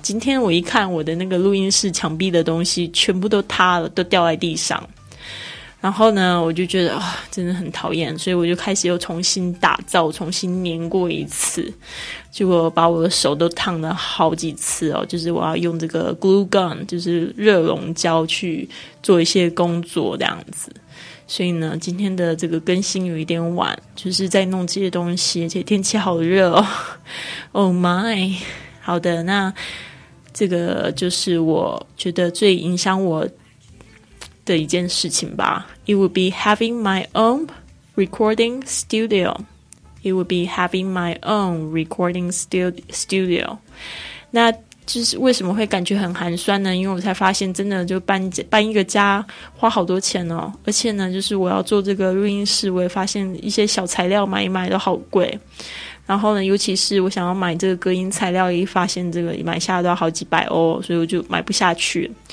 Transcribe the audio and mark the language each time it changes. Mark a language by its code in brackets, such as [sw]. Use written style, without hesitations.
[zh] 今天我一看我的那个录音室墙壁的东西全部都塌了，都掉在地上，然后呢我就觉得、真的很讨厌，所以我就开始又重新打造，重新粘过一次，结果把我的手都烫了好几次哦，就是我要用这个 glue gun 就是热熔胶去做一些工作这样子。所以呢今天的这个更新有一点晚，就是在弄这些东西，而且天气好热哦。 [en] Oh my。 [zh] 好的，那这个就是我觉得最影响我的一件事情吧。 [en] It would be having my own recording studio. It would be having my own recording studio. [zh] 那就是为什么会感觉很寒酸呢？因为我才发现真的就 搬一个家花好多钱哦，而且呢就是我要做这个录音室，我也发现一些小材料买一买都好贵，然后呢尤其是我想要买这个隔音材料，一发现这个买下都要好几百欧，所以我就买不下去。